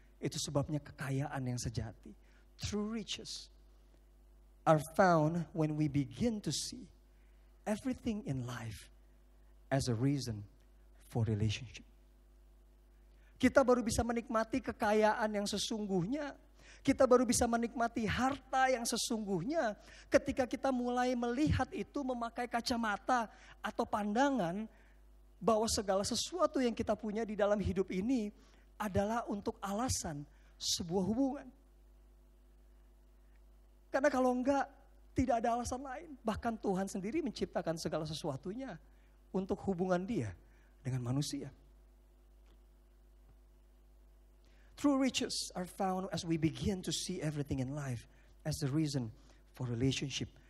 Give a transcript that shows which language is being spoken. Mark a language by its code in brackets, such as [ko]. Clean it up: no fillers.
[id] Itu sebabnya kekayaan yang sejati, [en] true riches, are found when we begin to see everything in life as a reason for relationship. [id] Kita baru bisa menikmati kekayaan yang sesungguhnya, kita baru bisa menikmati harta yang sesungguhnya ketika kita mulai melihat itu memakai kacamata atau pandangan bahwa segala sesuatu yang kita punya di dalam hidup ini adalah untuk alasan sebuah hubungan. Karena kalau enggak, tidak ada alasan lain. Bahkan Tuhan sendiri menciptakan segala sesuatunya untuk hubungan Dia dengan manusia. [en] True riches are found as we begin to see everything in life as the reason for relationship.